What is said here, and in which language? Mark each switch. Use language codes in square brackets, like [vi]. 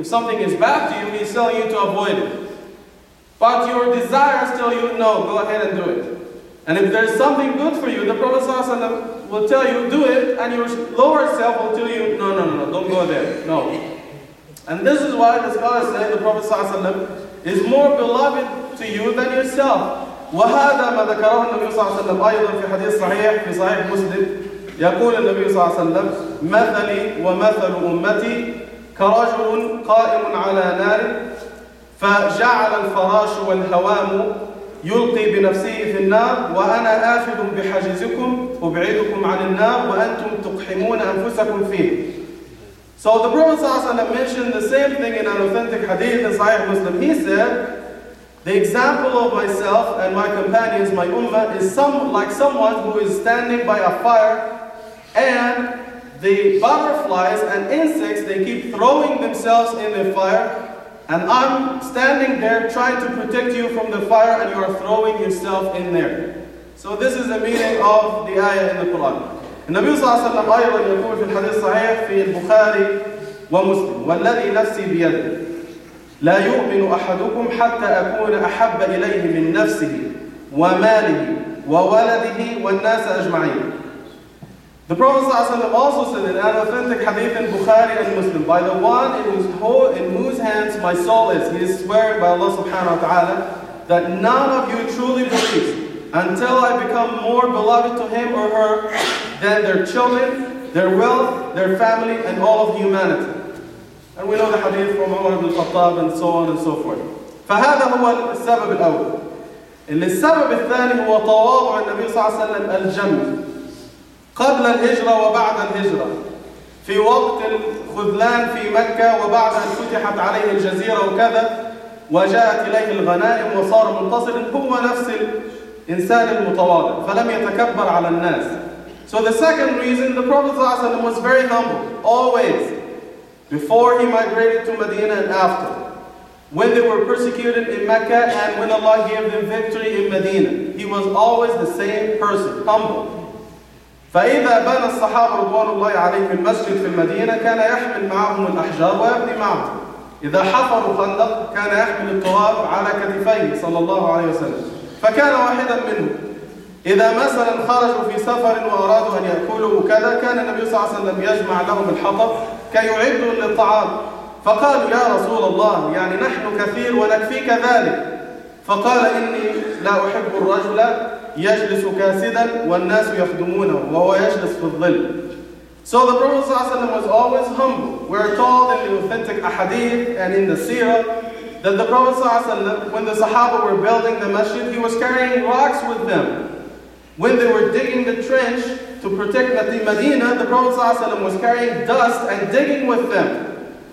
[en] If something is bad to you, he's telling you to avoid it. But your desires tell you, no, go ahead and do it. And if there's something good for you, the Prophet صلى الله عليه وسلم will tell you, do it, and your lower self will tell you, no, no, no, no, don't go there, no. And this is why the scholars say the Prophet صلى الله عليه وسلم is more beloved to you than yourself. [ar] وهذا ما ذكره النبي صلى الله عليه وسلم أيضا في حديث صحيح في صحيح مسلم. يقول النبي صلى الله عليه وسلم: مثلي ومثل أمتي كرجل قائم على نار فجعل الفراش والهوام يلقي بنفسه في النار، وأنا آخذ بحجزكم أبعدكم عن النار وأنتم تقحمون أنفسكم فيه. [en] So the Prophet صلى الله عليه وسلم mentioned the same thing in an authentic hadith in Sahih Muslim. He said, The example of myself and my companions, my ummah, is someone who is standing by a fire, and the butterflies and insects, they keep throwing themselves in the fire, and I'm standing there trying to protect you from the fire, and you are throwing yourself in there. So this is the meaning of the ayah in the Quran. [ar] النبي صلى الله عليه وسلم أيضا يقول في الحديث الصحيح في البخاري ومسلم والذي نفسي بيده لا يؤمن أحدكم حتى أكون أحب إليه من نفسه وماله وولده والناس أجمعين. [en] The Prophet صلى الله عليه وسلم also said in an authentic hadith in Bukhari and Muslim, by the one in whose hands my soul is, he is swearing by Allah subhanahu wa ta'ala, that none of you truly believes until I become more beloved to him or her than their children, their wealth, their family, and all of humanity. And we know the hadith from Umar ibn al-Khattab and so on and so forth. [ar] فهذا هو السبب الأول. السبب الثاني هو تواضع النبي صلى الله عليه وسلم الجمل قبل الهجرة وبعد الهجرة في وقت الخذلان في مكة وبعد أن فتحت عليه الجزيرة وكذا وجاءت إليه الغنائم وصار منتصرا هو نفس الإنسان المتواضع فلم يتكبر على الناس. [en] So the second reason, the Prophet ﷺ was very humble, always, before he migrated to Medina and after. When they were persecuted in Mecca and when Allah gave them victory in Medina, he was always the same person, humble. [ar] فَإِذَا بَنَى الصَّحَابَ رَضْوَانُ اللَّهِ عَلَيْهِمِ الْمَسْجِدِ فِي الْمَدِينَةِ كَانَ يَحْمِلْ مَعَهُمُ الْأَحْجَارُ وَيَبْنِي مَعَهُمْ إِذَا حَفَرُوا خَنْدَقَ كَانَ يَحْمِلُ التُّرَابُ عَلَى كَتِفَيْهِ صلى الله عليه وسلم فَكَانَ وَاحِدًا مِنْهُمْ إذا مثلا خرجوا في سفر وأرادوا أن يأكلوا وكذا كان النبي صلى الله عليه وسلم يجمع لهم الحطب كي يعدوا للطعام فقالوا يا رسول الله يعني نحن كثير ونكفيك ذلك فقال إني لا أحب الرجل يجلس كاسدا والناس يخدمونه وهو يجلس في الظل. [en] So the Prophet صلى الله عليه وسلم was always humble. We are told in the authentic ahadith and in the seerah that the Prophet صلى الله عليه وسلم, when the Sahaba were building the masjid, he was carrying rocks with them. When they were digging the trench to protect the Medina, the Prophet ﷺ was carrying dust and digging with them.